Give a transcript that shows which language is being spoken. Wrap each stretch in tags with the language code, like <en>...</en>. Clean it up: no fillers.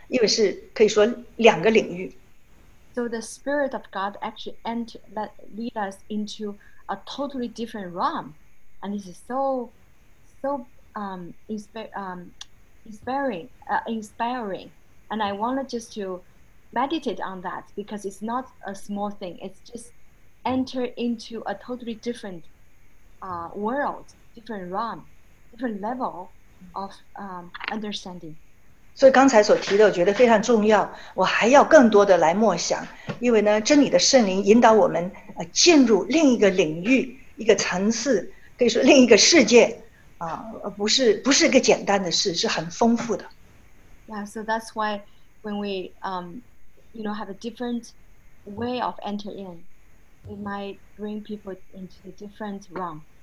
<zh>所以呢，可以能够看出，当一个人他在说话的时候，他到底是在灵里呢，还是呢是在头脑里呢？因为是可以说两个领域。So</zh> <en>the spirit of God actually enter that lead us into a totally different realm, and this is so inspiring, and I wanted just to meditate on that because it's not a small thing. It's just enter into a totally different world, different realm, different level of understanding.</en> <zh>所以刚才所提的，我觉得非常重要。我还要更多的来默想，因为呢，真理的圣灵引导我们进入另一个领域、一个层次，可以说另一个世界，不是个简单的事，是很丰富的。Yeah,</zh> <en>so that's why when we have a different way of enter in, it might bring people into a different realm.</en>